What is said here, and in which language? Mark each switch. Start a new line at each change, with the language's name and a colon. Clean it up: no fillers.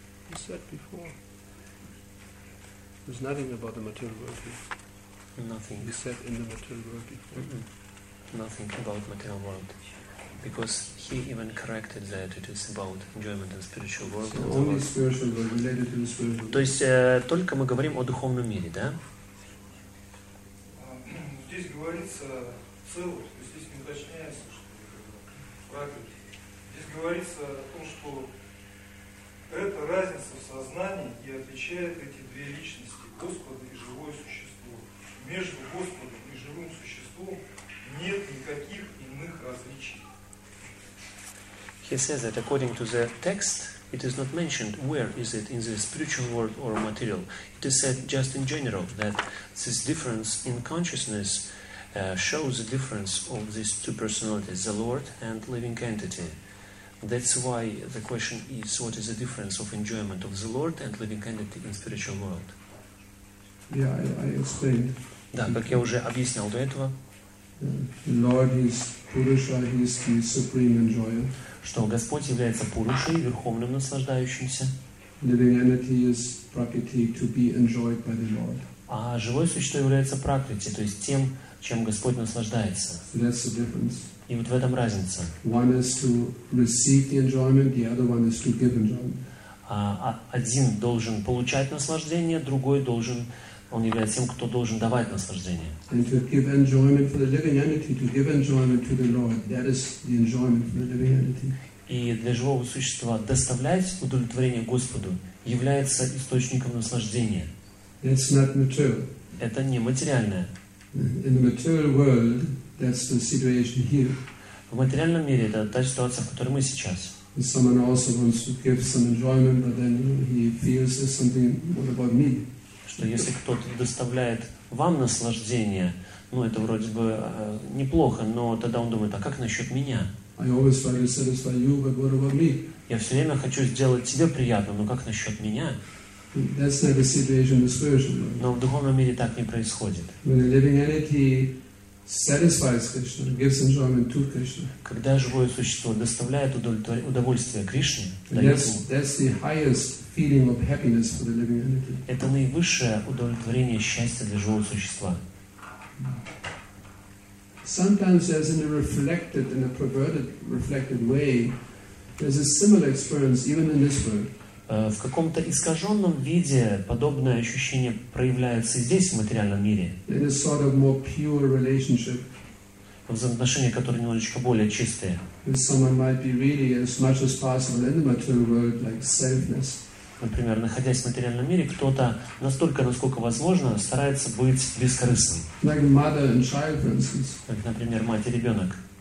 English: You said before. There's nothing about the material world here. Nothing. You said in the material world before. Mm-hmm. Nothing about material world. Because he even corrected that it is about enjoyment and spiritual world. So only spiritual world, related to the spiritual world.
Russian: То есть только мы говорим о духовном мире, да? Здесь говорится с целого, то есть здесь не уточняется, что правильно. Здесь говорится о том, что это разница в сознании и отличает эти две личности, Господа и живое существо. Между Господом и живым существом нет никаких иных различий.
English: He says that according to the text, it is not mentioned where is it in the spiritual world or material. It is said just in general that this difference in consciousness shows the difference of these two personalities, the Lord and living entity. That's why the question is, what is the difference of enjoyment of the Lord and living entity in spiritual world? Yeah, I explained.
Russian: Да, как я уже объяснял до этого.
English: Lord is Purusha, he is the supreme enjoyer.
Russian: Что Господь является Пурушей, верховным наслаждающимся.
English: Living entity is prakriti, to be enjoyed by the Lord.
Russian: А живое существо является Пракрити, то есть тем, чем Господь наслаждается.
English: So that's the difference.
Russian: И вот в этом разница.
English: One is to receive the enjoyment, the other one is to give enjoyment.
Russian: Один должен получать наслаждение, другой должен, он является тем, кто должен давать наслаждение.
English: And to give enjoyment for the living entity, to give enjoyment to the Lord, that is the enjoyment for the living entity.
Russian: И для живого существа доставлять удовлетворение Господу является источником наслаждения.
English: That's not material.
Russian: Это не материальное.
English: In the material world, that's the situation here.
Russian: В материальном мире это та ситуация, в которой мы сейчас.
English: Someone also wants to give some enjoyment, but then he feels there's something. What about me?
Russian: Что если кто-то доставляет вам наслаждение, ну это вроде бы неплохо, но тогда он думает, а как насчет меня?
English: I always try to satisfy you, but what about me?
Russian: Я все время хочу сделать тебе приятно, но как насчет меня?
English: That's not the situation in the spiritual world.
Russian: Но в духовном мире так не происходит.
English: When a living entity satisfies Krishna, gives enjoyment to Krishna.
Russian: Когда живое существо доставляет удовольствие Кришне,
English: that's the highest feeling of happiness for the living entity.
Russian: Это наивысшее удовлетворение счастья для живого существа.
English: Sometimes there's in a reflected and a perverted reflected way, there's a similar experience even in this world.
Russian: В каком-то искаженном виде подобное ощущение проявляется здесь, в материальном мире.
English: In a sort of more pure relationship.
Russian: Взаимоотношения, которые немножечко более чистые.
English: If someone might be really as much as possible in the material world, like selfness.
Russian: Например, находясь в материальном мире, кто-то настолько, насколько возможно, старается быть бескорыстным.
English: Like mother and child, for instance.
Russian: Как, например, мать и ребенок.